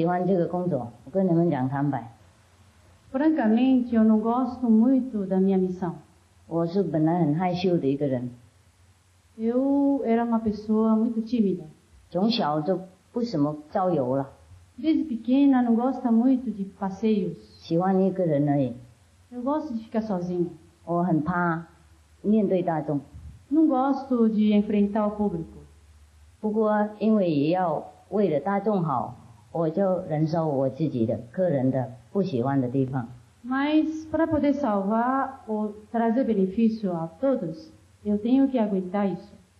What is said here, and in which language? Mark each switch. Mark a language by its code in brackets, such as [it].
[zh] 我为什么我不喜欢这个工作我跟你们讲坦白. [pt] Francamente, eu não gosto muito da minha missão. [zh] 我是本来很害羞的一个人. [pt] Eu era uma pessoa muito tímida. [zh] 从小就不怎么郊游了. [pt] Desde pequena, não gosto muito de passeios. [zh] 喜欢一个人而已. [pt] Eu gosto de ficar sozinha. [zh] 我很怕面对大众. [pt] Não gosto de enfrentar o público. [zh] 不过因为也要为了大众好, 我就忍受我自己的个人的不喜欢的地方. [pt] Mas para poder salvar ou trazer benefício a todos, eu tenho que aguentar isso.